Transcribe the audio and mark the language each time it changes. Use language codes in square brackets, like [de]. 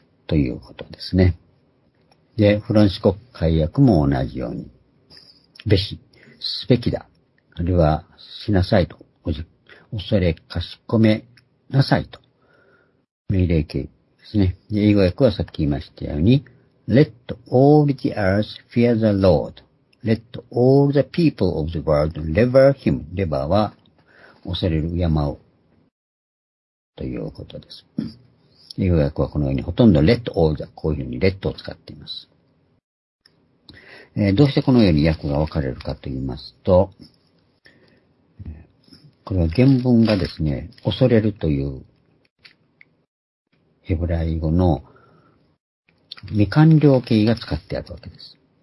[ja] ということですね。で、フランシコ解訳も同じように、べし、すべきだ、あるいは、しなさいと、恐れ、かしこめなさいと、命令形ですね。で、英語訳はさっき言いましたように、 [en] Let all the earth fear the Lord. Let all the people of the world revere him. [ja] Rever は、恐れる山を、ということです。英語訳はこのようにほとんど [en] let all the、 [ja] こういうふうに let を使っています。どうしてこのように訳が分かれるかと言いますと、これは原文がですね、恐れるというヘブライ語の未完了形が使ってあるわけです。